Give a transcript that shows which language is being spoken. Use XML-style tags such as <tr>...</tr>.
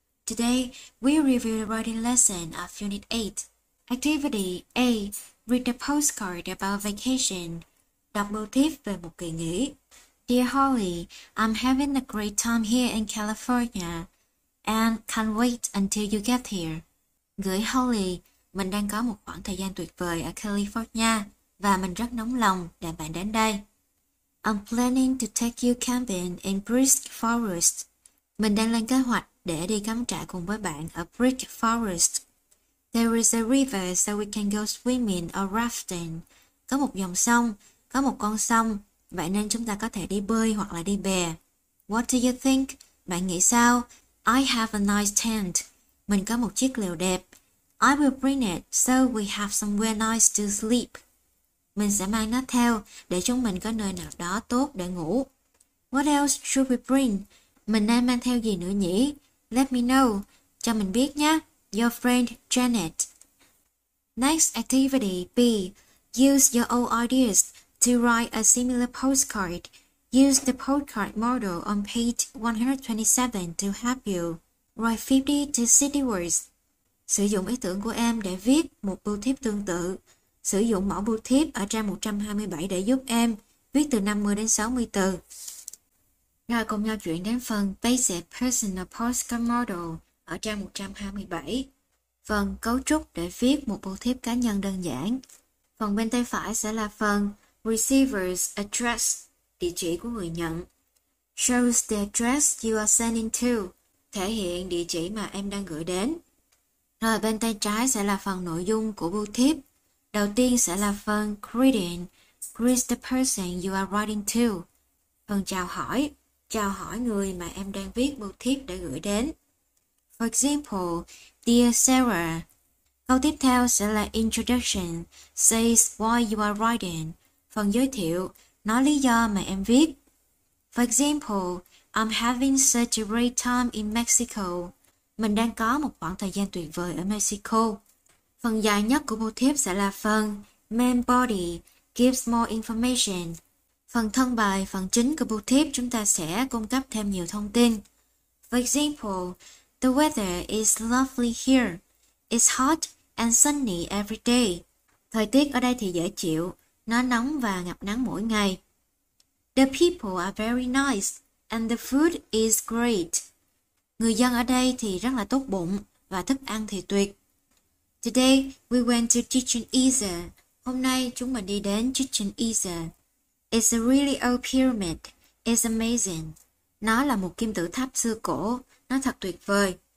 <en>Today, we review the writing lesson of Unit 8. Activity A. Read a postcard about vacation.</en> <vi>Đọc bưu thiếp về một kỳ nghỉ.</vi> <en>Dear Holly, I'm having a great time here in California and can't wait until you get here.</en> <vi>Gửi Holly, mình đang có một khoảng thời gian tuyệt vời ở California và mình rất nóng lòng để bạn đến đây.</vi> <en>I'm planning to take you camping in Brisk Forest.</en> <vi>Mình đang lên kế hoạch để đi cắm trại cùng với bạn ở Brisk Forest.</vi> <en>There is a river so we can go swimming or rafting.</en> <vi>Có một dòng sông, có một con sông, vậy nên chúng ta có thể đi bơi hoặc là đi bè.</vi> <en>What do you think?</en> <vi>Bạn nghĩ sao?</vi> <en>I have a nice tent.</en> <vi>Mình có một chiếc lều đẹp.</vi> <en>I will bring it so we have somewhere nice to sleep.</en> <vi>Mình sẽ mang nó theo để chúng mình có nơi nào đó tốt để ngủ.</vi> <en>What else should we bring?</en> <vi>Mình nên mang theo gì nữa nhỉ?</vi> <en>Let me know.</en> <vi>Cho mình biết nhé.</vi> <en>Your friend Janet. Next activity B. Use your old ideas to write a similar postcard. Use the postcard model on page 127 to help you. Write 50 to 60 words.</en> <vi>Sử dụng ý tưởng của em để viết một bưu thiếp tương tự. Sử dụng mẫu bưu thiếp ở trang 127 để giúp em viết từ 50 đến 60 từ. Rồi cùng nhau chuyển đến phần Basic Personal Postcard Model ở trang 127. Phần cấu trúc để viết một bưu thiếp cá nhân đơn giản. Phần bên tay phải sẽ là phần Receiver's Address, địa chỉ của người nhận.</vi> <en>Shows the address you are sending to,</en> <vi>thể hiện địa chỉ mà em đang gửi đến. Rồi bên tay trái sẽ là phần nội dung của bưu thiếp. Đầu tiên sẽ là phần greeting,</vi> <en>greet the person you are writing to.</en> <vi>Phần chào hỏi người mà em đang viết bưu thiếp để gửi đến.</vi> <en>For example, dear Sarah.</en> <vi>Câu tiếp theo sẽ là</vi> <en>introduction, says why you are writing.</en> <vi>Phần giới thiệu, nói lý do mà em viết.</vi> <en>For example, I'm having such a great time in Mexico.</en> <vi>Mình đang có một khoảng thời gian tuyệt vời ở Mexico. Phần dài nhất của bưu thiếp sẽ là phần main body,</vi> <en>gives more information.</en> <vi>Phần thân bài, phần chính của bưu thiếp chúng ta sẽ cung cấp thêm nhiều thông tin.</vi> <en>For example, the weather is lovely here. It's hot and sunny every day.</en> <vi>Thời tiết ở đây thì dễ chịu, nó nóng và ngập nắng mỗi ngày.</vi> <en>The people are very nice and the food is great.</en> <vi>Người dân ở đây thì rất là tốt bụng và thức ăn thì tuyệt.</vi> <en>Today, we went to Chichen Itza.</en> <vi>Hôm nay, chúng mình đi đến Chichen Itza.</vi> <en>It's a really old pyramid. It's amazing.</en> <vi>Nó là một kim tự tháp xưa cổ. Nó thật tuyệt vời.</vi>